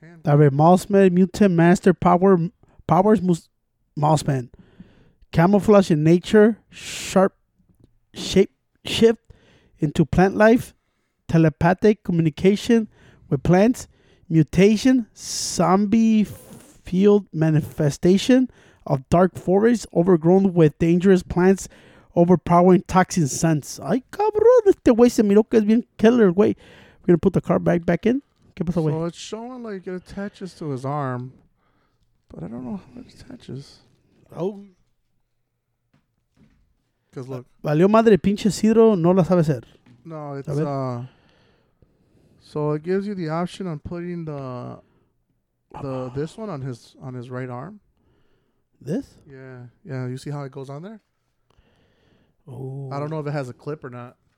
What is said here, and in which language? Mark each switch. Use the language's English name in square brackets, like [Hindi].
[English] Alright, Mossman, Mutant Master, Powers, Mossman, Camouflage in Nature, Sharp, Shape, Shift into Plant Life, Telepathic Communication with Plants, Mutation, Zombie Field Manifestation of Dark Forest, Overgrown with Dangerous Plants, Overpowering Toxin Scents. [Spanish] Ay, cabrón, este güey se miró que es bien killer, güey. [English] We're going to put the car back in. So it's showing like it attaches to his arm, but I don't know how it attaches. Oh. Because look. [Spanish] Valió madre, pinche Cidro, no la sabe hacer. [English] No, it's, so it gives you the option on putting this one on his right arm. This? Yeah. You see how it goes on there? Oh. I don't know if it has a clip or not.